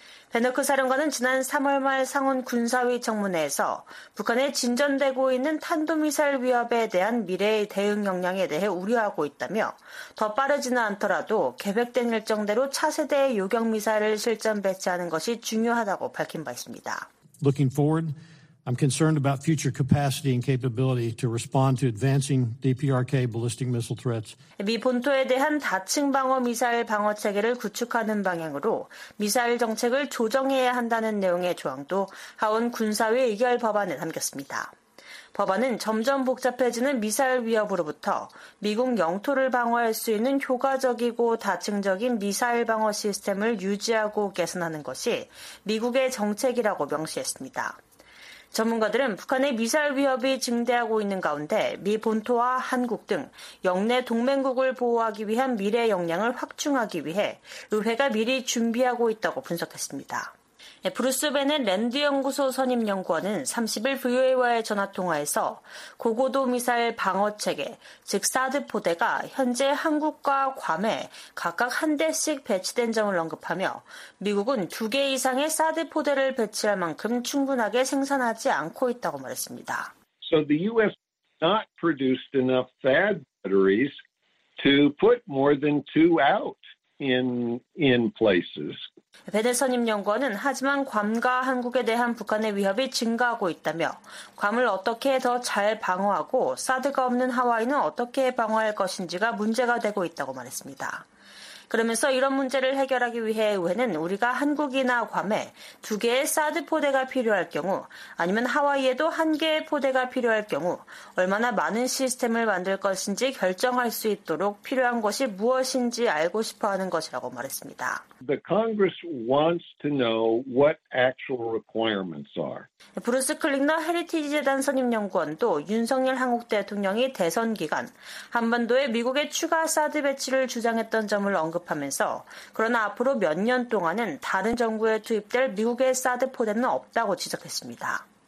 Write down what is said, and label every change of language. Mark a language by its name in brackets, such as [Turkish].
[Korean] 베너크 사령관은 지난 3월 말 상원 군사위 청문회에서 북한의 진전되고 있는 탄도미사일 위협에 대한 미래의 대응 역량에 대해 우려하고 있다며 더 빠르지는 않더라도 계획된 일정대로 차세대 요격미사일을 실전 배치하는 것이 중요하다고 밝힌 바 있습니다. [English] Looking forward, I'm concerned about future capacity and capability to respond to advancing DPRK ballistic missile threats. [Korean] 미 본토에 대한 다층 방어 미사일 방어 체계를 구축하는 방향으로 미사일 정책을 조정해야 한다는 내용의 조항도 하원 군사위 의결 법안에 담겼습니다. 법안은 점점 복잡해지는 미사일 위협으로부터 미국 영토를 방어할 수 있는 효과적이고 다층적인 미사일 방어 시스템을 유지하고 개선하는 것이 미국의 정책이라고 명시했습니다. 전문가들은 북한의 미사일 위협이 증대하고 있는 가운데 미 본토와 한국 등 영내 동맹국을 보호하기 위한 미래 역량을 확충하기 위해 의회가 미리 준비하고 있다고 분석했습니다. 브루스 베넷 랜드 연구소 선임 연구원은 30일 VOA와의 전화통화에서 고고도 미사일 방어체계, 즉 사드 포대가 현재 한국과 괌에 각각 한 대씩 배치된 점을 언급하며 미국은 두 개 이상의 사드 포대를 배치할 만큼 충분하게 생산하지 않고 있다고 말했습니다. [English] So the U.S. not produced enough THAAD batteries to put more than two out in places. [Korean] 베넷 선임 연구원은 하지만 괌과 한국에 대한 북한의 위협이 증가하고 있다며 괌을 어떻게 더 잘 방어하고 사드가 없는 하와이는 어떻게 방어할 것인지가 문제가 되고 있다고 말했습니다. 그러면서 이런 문제를 해결하기 위해 의회는 우리가 한국이나 괌에 두 개의 사드 포대가 필요할 경우 아니면 하와이에도 한 개의 포대가 필요할 경우 얼마나 많은 시스템을 만들 것인지 결정할 수 있도록 필요한 것이 무엇인지 알고 싶어 하는 것이라고 말했습니다. [English] The Congress wants to know what actual requirements are. [Korean] 브루스 클릭너 헤리티지 재단 선임 연구원도 윤석열 한국 대통령이 대선 기간 한반도에 미국의 추가 사드 배치를 주장했던 점을 언급하면서 그러나 앞으로 몇 년 동안은 다른 정부에 투입될 미국의 사드 포대는 없다고 지적했습니다.